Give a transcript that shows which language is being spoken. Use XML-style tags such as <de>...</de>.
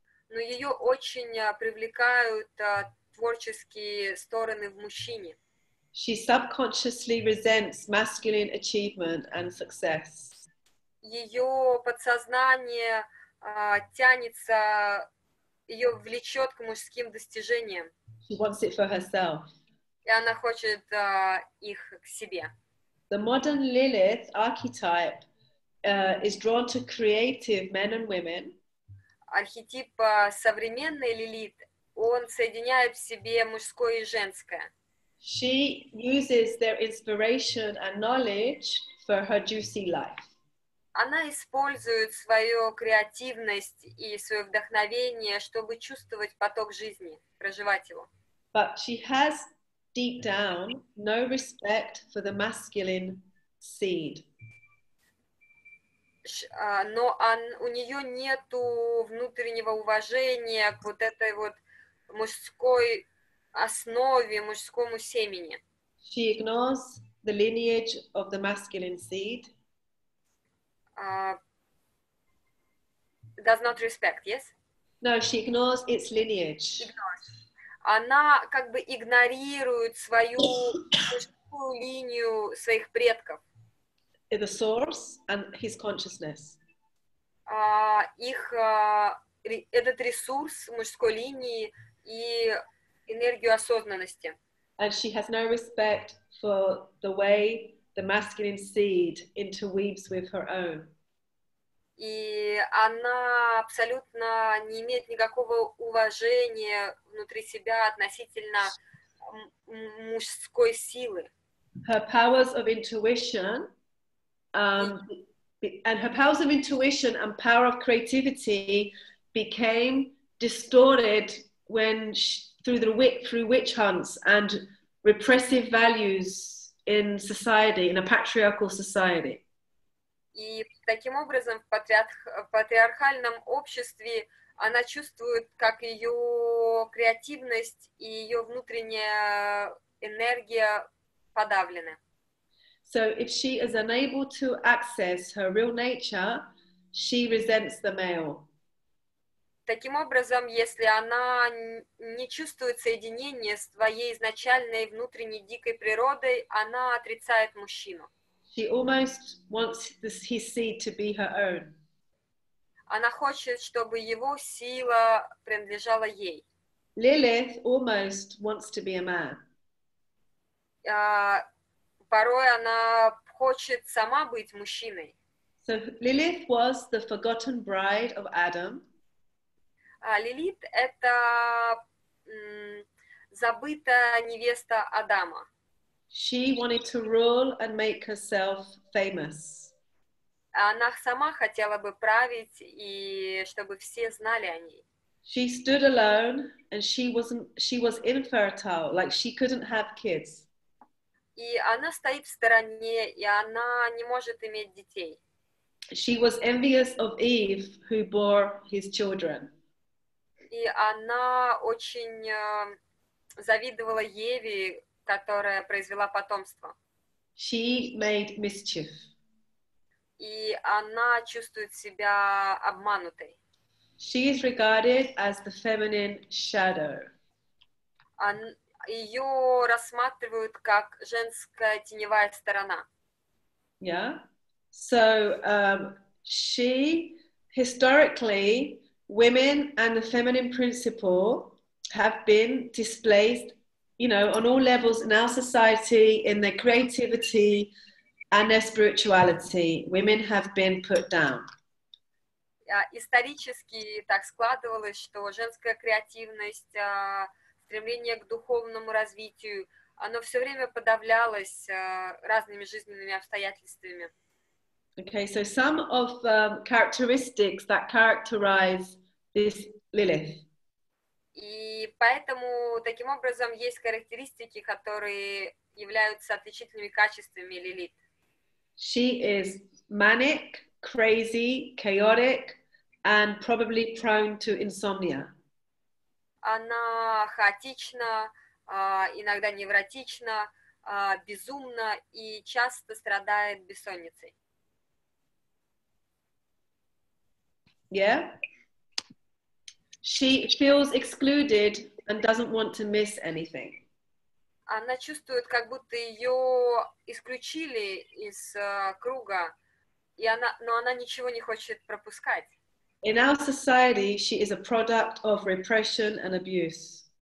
<ru>Но ее очень привлекают творческие стороны в мужчине.</ru> <en>She subconsciously resents masculine achievement and success.</en> <ru>Ее подсознание тянется, ее влечет к мужским достижениям.</ru> <en>She wants it for herself.</en> <ru>И она хочет их к себе.</ru> <en>The modern Lilith archetype is drawn to creative men and women.</en> <ru>Архетип современной Лилит, он соединяет в себе мужское и женское.</ru> <en>She uses their inspiration and knowledge for her juicy life.</en> <ru>Она использует свою креативность и свое вдохновение, чтобы чувствовать поток жизни, проживать его.</ru> <en>But she has deep down no respect for the masculine seed.</en> <ru>Но у нее нету внутреннего уважения к вот этой вот мужской основе, мужскому семени.</ru> <en>She ignores the lineage of the masculine seed. Does not respect, yes? No, she ignores its lineage.</en> <ru>Она как бы игнорирует свою мужскую линию своих предков.</ru> <en>The source and his consciousness.</en> <ru>Их этот ресурс мужской линии и энергию осознанности.</ru> <en>And she has no respect for the way the masculine seed interweaves with her own.</en> <ru>И она абсолютно не имеет никакого уважения внутри себя относительно мужской силы.</ru> <en>Her powers of intuition. And her powers of intuition and power of creativity became distorted when through witch hunts and repressive values in society, in a patriarchal society.</en> <ru>И таким образом в патриархальном обществе она чувствует, как ее креативность и ее внутренняя энергия подавлены.</ru> <en>So if she is unable to access her real nature, she resents the male.</en> <ru>Таким образом, если она не чувствует соединение с своей изначальной внутренней дикой природой, она отрицает мужчину.</ru> <en>She almost wants his seed to be her own.</en> <ru>Она хочет, чтобы его сила принадлежала ей.</ru> <en>Lilith almost wants to be a man.</en> <ru>Порой она хочет сама быть мужчиной.</ru> <en>So Lilith was the forgotten bride of Adam.</en> <ru>Лилит — это забытая невеста Адама.</ru> <en>She wanted to rule and make herself famous.</en> <ru>Она сама хотела бы править, и чтобы все знали о ней.</ru> <en>She stood alone, and she was infertile, like she couldn't have kids.</en> <ru>И она стоит в стороне, и она не может иметь детей.</ru> <en>She was envious of Eve, who bore his children.</en> <ru>И она очень завидовала Еве, которая произвела потомство.</ru> <en>She made mischief.</en> <ru>И она чувствует себя обманутой.</ru> <en>She is regarded as the feminine shadow.</en> <ru>Ее рассматривают как женская теневая сторона.</ru> <en>Yeah. So she Historically, women and the feminine principle have been displaced, you know, on all levels in our society, in their creativity and their spirituality. Women have been put down.</en> <ru>Исторически так складывалось, что женская креативность, стремление к духовному развитию, оно все время подавлялось разными жизненными обстоятельствами.</ru> <en>Okay, so some of the characteristics that characterize this Lilith.</en> <ru>И поэтому таким образом есть характеристики, которые являются отличительными качествами Лилит.</ru> <en>She is manic, crazy, chaotic, and probably prone to insomnia.</en> <ru>Она хаотична, иногда невротична, безумна и часто страдает бессонницей.</ru> <en>Yeah. She feels excluded and doesn't want to miss anything.</en> <ru>Она чувствует, как будто ее исключили из круга, и она, но она ничего не хочет пропускать.</ru> <en>In our society, she is a product of repression and abuse.</en>